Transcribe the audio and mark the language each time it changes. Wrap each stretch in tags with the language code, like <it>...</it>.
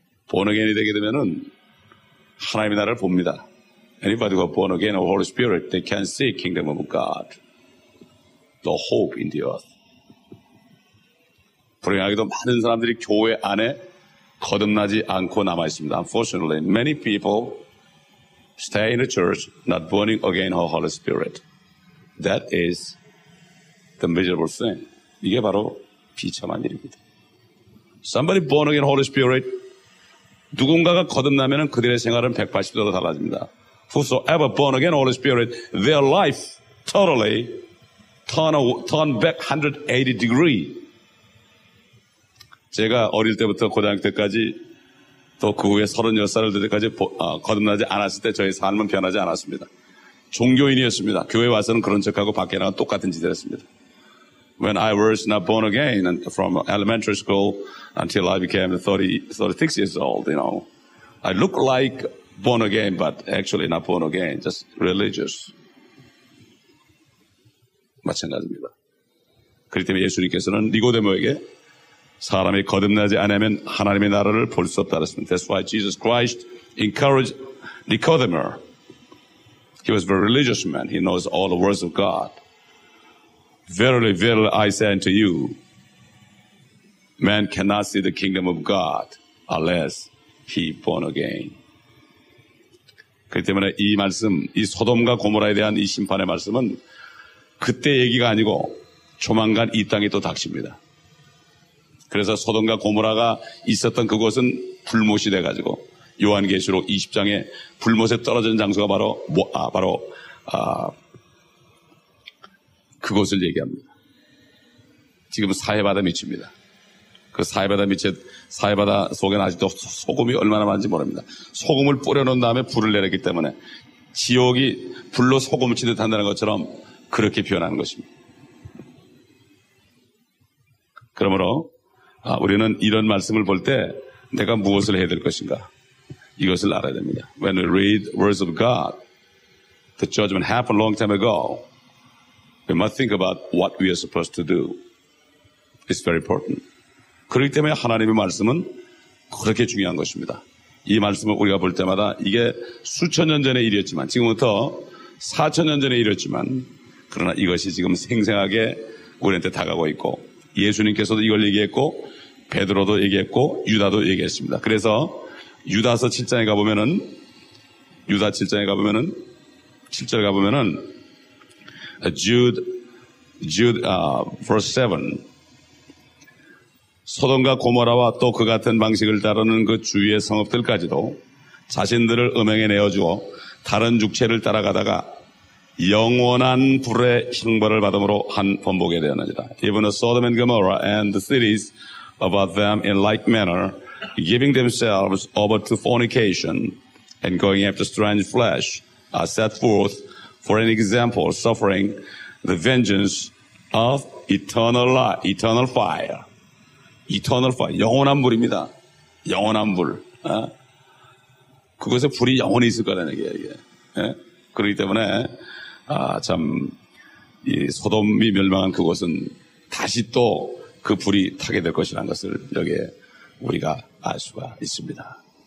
<en>Born again</en> <ko>이 되게 되면은 하나님의 나라를 봅니다.</ko> <en>Anybody who is born again of the Holy Spirit, they can see the kingdom of God, the hope in the earth.</en> <ko>불행하게도 많은 사람들이 교회 안에 거듭나지 않고 남아있습니다.</ko> <en>Unfortunately, many people stay in the church, not burning again her Holy Spirit. That is the miserable thing.</en> <ko>이게 바로 비참한 일입니다.</ko> <en>Somebody born again Holy Spirit,</en> <ko>누군가가 거듭나면 그들의 생활은 180도로 달라집니다.</ko> <en>Whosoever born again Holy Spirit, their life totally turn back 180 degree.</en> <ko>제가 어릴 때부터 고등학교 때까지 또 그 후에 36살 때까지 거듭나지 않았을 때 저의 삶은 변하지 않았습니다. 종교인이었습니다. 교회 와서는 그런 척하고 밖에 나가 똑같은 짓을 했습니다.</ko> <en>When I was not born again and from elementary school until I became 36 years old, you know, I look like born again, but actually not born again, just religious.</en> <ko>마찬가지입니다. 그렇기 때문에 예수님께서는 니고데모에게 사람이 거듭나지 않으면 하나님의 나라를 볼 수 없다 했습니다.</ko> <en>That's why Jesus Christ encouraged Nicodemus. He was a very religious man. He knows all the words of God. Verily, verily, I say unto you, man cannot see the kingdom of God unless he is born again.</en> <ko>그렇기 때문에 이 말씀, 이 소돔과 고모라에 대한 이 심판의 말씀은 그때 얘기가 아니고 조만간 이 땅에 또 닥칩니다. 그래서 소돔과 고모라가 있었던 그곳은 불못이 돼가지고 요한계시록 20장에 불못에 떨어진 장소가 바로 그곳을 얘기합니다. 지금 사해바다 밑입니다. 그 사해바다 밑에 사해바다 속에는 아직도 소금이 얼마나 많은지 모릅니다. 소금을 뿌려놓은 다음에 불을 내렸기 때문에 지옥이 불로 소금을 치듯 한다는 것처럼 그렇게 변하는 것입니다. 그러므로 우리는 이런 말씀을 볼 때 내가 무엇을 해야 될 것인가 이것을 알아야 됩니다.</ko> <en>When we read words of God, the judgment happened long time ago, we must think about what we are supposed to do. It's very important.</en> <ko>그렇기 때문에 하나님의 말씀은 그렇게 중요한 것입니다. 이 말씀을 우리가 볼 때마다 이게 수천 년 전의 일이었지만 지금부터 4천 년 전의 일이었지만 그러나 이것이 지금 생생하게 우리한테 다가오고 있고 예수님께서도 이걸 얘기했고 베드로도 얘기했고 유다도 얘기했습니다. 그래서 유다서 7장에 가보면은 유다 7장에 가보면은 7절 가보면은</ko> <en>Jude verse 7</en> <ko>소돔과 고모라와 또 그 같은 방식을 따르는 그 주위의 성읍들까지도 자신들을 음행에 내어주어 다른 육체를 따라가다가 영원한 불의 형벌을 받음으로 한 번복에 되었느니라.</ko> <en>Even Sodom and Gomorrah and the cities about them in like manner, giving themselves over to fornication and going after strange flesh, are set forth for an example, suffering the vengeance of eternal fire. Eternal fire,</en> <ko>영원한 불입니다. 영원한 불. 그곳에 불이 영원히 있을 거라는 얘기예요. 그렇기 때문에 참 이 소돔이 멸망한 그곳은 다시 또 그 불이 타게 될 것이라는 것을 여기에 우리가 알 수가 있습니다.</ko>